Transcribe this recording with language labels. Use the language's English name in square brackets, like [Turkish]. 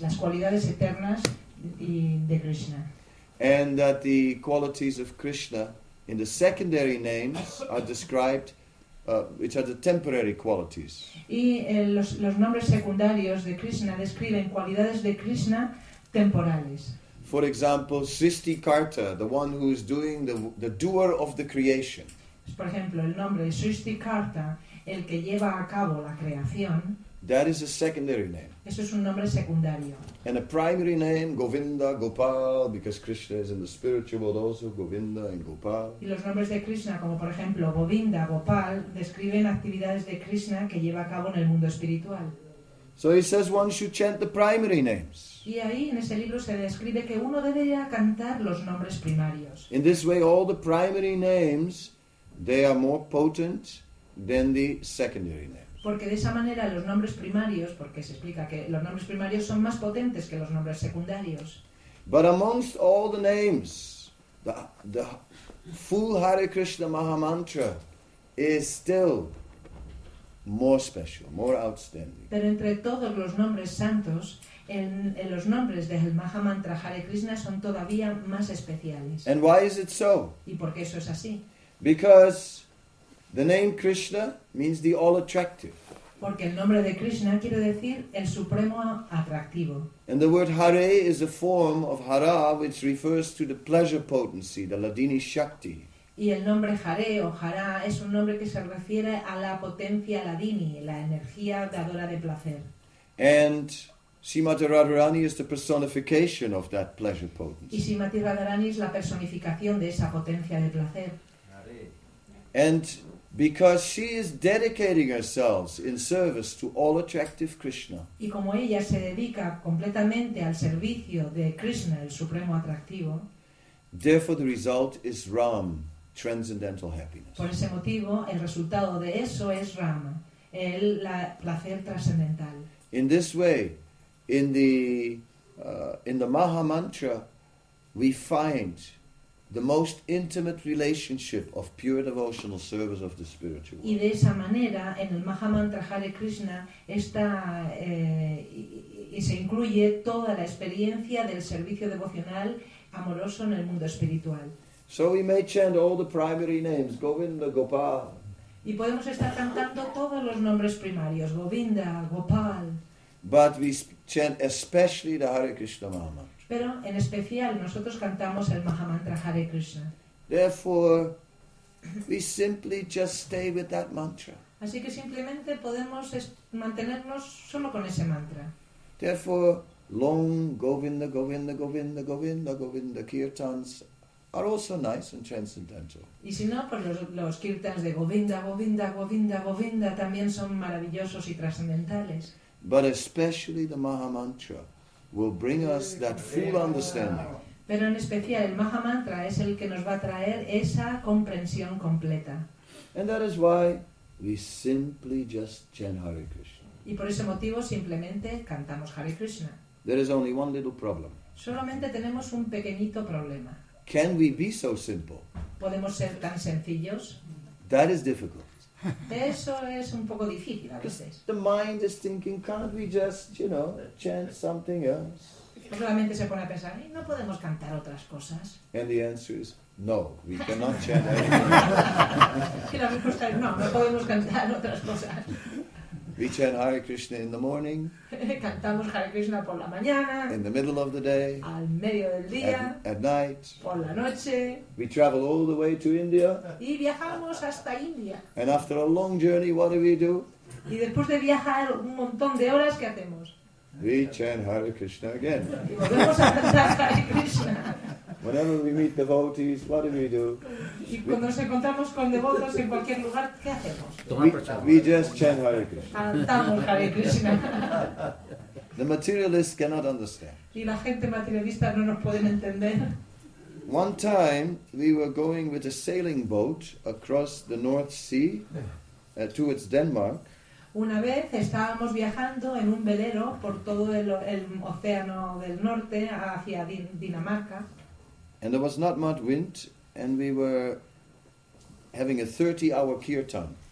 [Spanish] las cualidades eternas de Krishna. [English] And that the qualities of Krishna in the secondary names are described, which are the temporary qualities. [Spanish] Y los nombres secundarios de Krishna describen cualidades de Krishna temporales. [English] For example, Srishtikarta, the one who is doing the doer of the creation. [Spanish] Por ejemplo, el nombre Srishtikarta, el que lleva a cabo la creación. [English] That is a secondary name. [Spanish] Eso es un nombre secundario. [English] And a primary name, Govinda, Gopal, because Krishna is in the spiritual world also, Govinda and Gopal. [Spanish] Y los nombres de Krishna, como por ejemplo Govinda, Gopal, describen actividades de Krishna que lleva a cabo en el mundo espiritual. [English] So he says one should chant the primary names. [Spanish] Y ahí en ese libro se describe que uno debería cantar los nombres primarios. [English] In this way, all the primary names, they are more potent than the secondary names. [Spanish] Porque de esa manera los nombres primarios, porque se explica que los nombres primarios son más potentes que los nombres secundarios. [English] But amongst all the names, the full Hare Krishna Mahamantra is still more special, more outstanding. [Spanish] Pero entre todos los nombres santos, en los nombres del Mahamantra Hare Krishna son todavía más especiales. [English] And why is it so? [Spanish] ¿Y por qué eso es así? [English] Because the name Krishna means the all-attractive. [Spanish] Porque el nombre de Krishna quiere decir el supremo atractivo. [English] And the word Hare is a form of Hara, which refers to the pleasure potency, the Ladini Shakti. [Spanish] Y el nombre Hare o Hara es un nombre que se refiere a la potencia Ladini, la energía dadora de placer. [English] And Srimati Radharani is the personification of that pleasure potency. [Spanish] Y Srimati Radharani es la personificación de esa potencia de placer. [English] And because she is dedicating herself in service to all attractive Krishna. [Spanish] Y como ella se dedica completamente al servicio de Krishna, el supremo atractivo. [English] Therefore the result is Ram, transcendental happiness. [Spanish] Por ese motivo, el resultado de eso es Ram, el placer trascendental. [English] In this way, in the Maha Mantra, we find the most intimate relationship of pure devotional service of the spiritual world. [Spanish] Y de esa manera, en el Mahamantra Hare Krishna, se incluye toda la experiencia del servicio devocional amoroso en el mundo espiritual. [English] So we may chant all the primary names, Govinda, Gopal. [Spanish] Y podemos estar cantando todos los nombres primarios, Govinda, Gopal. [English] But we chant especially the Hare Krishna Mahamantra. [Spanish] Pero en especial nosotros cantamos el Mahamantra Hare Krishna. [English] Therefore, we simply just stay with that mantra. [Spanish] Así que simplemente podemos mantenernos solo con ese mantra. [English] Therefore, long Govinda, Govinda, Govinda, Govinda, Govinda kirtans are also nice and transcendental. [Spanish] Y si no, pues los kirtans de Govinda, Govinda, Govinda, Govinda también son maravillosos y trascendentales. [English] But especially the Mahamantra will bring us that full understanding. [Spanish] Pero en especial el Mahamantra es el que nos va a traer esa comprensión completa. [English] And that is why we simply just chant Hare Krishna. [Spanish] Y por ese motivo simplemente cantamos Hare Krishna. [English] There is only one little problem. [Spanish] Solamente tenemos un pequeñito problema. [English] Can we be so simple? [Spanish] ¿Podemos ser tan sencillos? [English] That is difficult. [Spanish] Eso es un poco difícil a veces. [English] Because the mind is thinking, can't we just, you know, chant something else? [Spanish] Pues la mente se pone a pensar, ¿y no podemos cantar otras cosas? [English] And the answer is, no, we cannot chant anything. [Spanish] Y la respuesta es, no, no podemos cantar otras cosas. [English] We chant Hare Krishna in the morning. [Spanish] Cantamos Hare Krishna por la mañana. [English] In the middle of the day. [Spanish] Al medio del día. [English] At night. [Spanish] Por la noche. [English] We travel all the way to India. [Spanish] Y viajamos hasta India. [English] And after a long journey, what do? [Spanish] Y después de viajar un montón de horas, ¿qué hacemos? [English] We chant Hare Krishna again. [Spanish] Y volvemos a cantar Hare Krishna. [English] Whenever we meet devotees, what do? [Spanish] Y cuando nos encontramos con devotos en cualquier lugar, ¿qué hacemos? [English] We just chant Hare Krishna. [Spanish] Cantamos Hare Krishna. [English] The materialists cannot understand. [Spanish] Y la gente materialista no nos pueden entender. [English] One time, we were going with a sailing boat across the North Sea towards Denmark. [Spanish] Una vez estábamos viajando en un velero por todo el océano del norte hacia Dinamarca. [English] And there was not much wind, and we were having a 30-hour kirtan.